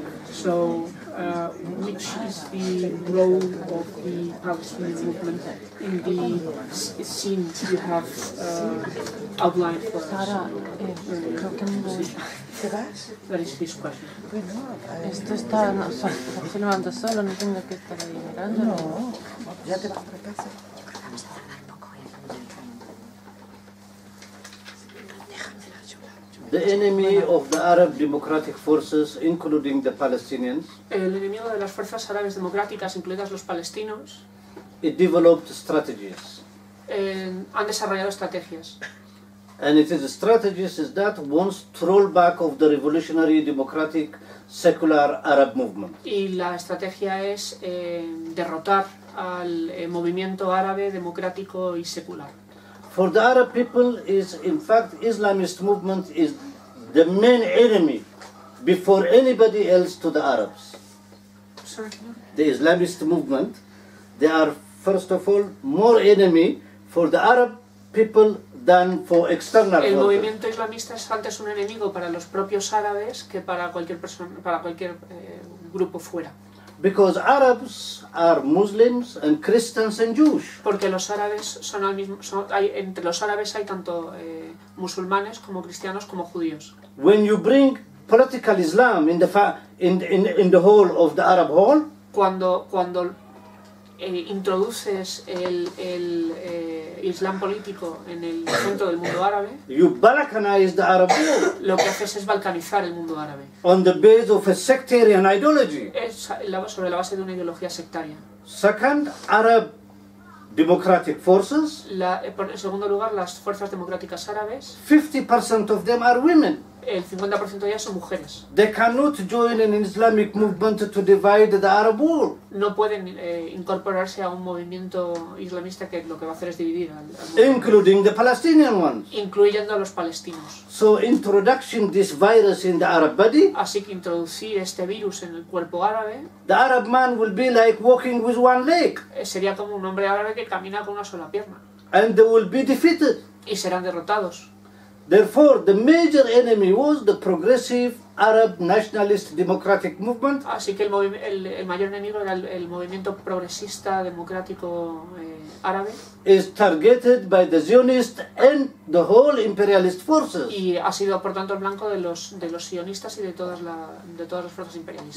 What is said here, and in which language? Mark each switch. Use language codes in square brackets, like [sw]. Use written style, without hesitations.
[en] So, which is the role of the Palestinian movement in the scene you have outlined for us? [es] ¿Qué vas? Pues no, esto está funcionando solo, no tengo que estar ahí mirando. No, ya te vas a casa. [en] The enemy of the Arab Democratic Forces, including the Palestinians. [es] El enemigo de las fuerzas árabes democráticas, incluidas los palestinos. [en] It developed strategies. [es] Han desarrollado estrategias. [en] And it is strategies is that wants to roll back of the revolutionary democratic secular Arab movement. [es] Y la estrategia es derrotar al movimiento árabe democrático y secular. [en] For the Arab people is in fact Islamist movement is the main enemy before anybody else to the Arabs. Sorry. The Islamist movement, they are first of all more enemy for the Arab people than for external. [es] El movimiento islamista es antes un enemigo para los propios árabes que para cualquier persona, para cualquier grupo fuera. [en] Because Arabs are Muslims and Christians and Jews. [es] Porque los árabes son al mismo, son, hay, entre los árabes hay tanto musulmanes como cristianos como judíos. [en] When you bring political Islam in the whole of the Arab whole. [es] Cuando introduces el Islam político en el centro del mundo árabe. [en] You balkanize the Arab world. [es] Lo que haces es balcanizar el mundo árabe. [en] On the base of a sectarian ideology. [es] Es sobre la base de una ideología sectaria. [en] Second, Arab democratic forces. [es] En segundo lugar, las fuerzas democráticas árabes. [en] 50% of them are women. [es] El 50% de ellas son mujeres. [en] They cannot join an Islamic movement to divide the Arab world. [es] No pueden incorporarse a un movimiento islamista que lo que va a hacer es dividir al mundo. [en] Including the Palestinian ones. [es] Incluyendo a los palestinos. [en] So introducing this virus in the Arab body. [es] Así que introducir este virus en el cuerpo árabe. [en] The Arab man will be like walking with one leg. [es] Sería como un hombre árabe que camina con una sola pierna. [en] And they will be defeated. [es] Y serán derrotados. [en] Therefore, the major enemy was the progressive Arab nationalist democratic movement. [es] Así que el mayor enemigo era el movimiento progresista democrático árabe. [en] Is targeted by the Zionist and the whole imperialist forces. [es] Y ha sido por tanto el blanco de los sionistas y de todas las fuerzas imperialistas.